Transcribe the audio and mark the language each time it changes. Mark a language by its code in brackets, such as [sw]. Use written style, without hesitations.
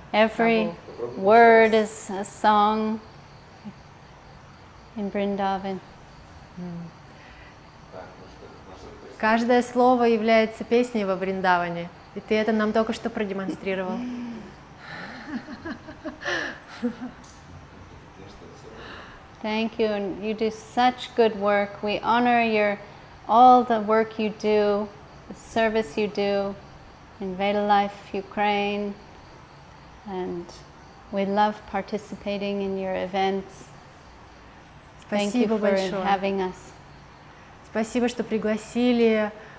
[en] Every word is a song in Vrindavan. [ru] Каждое слово является песней во Вриндаване. И ты это нам только что продемонстрировал. [en] Thank you, and you do such good work. We honor your all the work you do, the service you do in Veda Life Ukraine, and we love participating in your events. [ru] Спасибо [en] Thank you for [ru] большое. [en] Having us. [ru] Спасибо, что пригласили.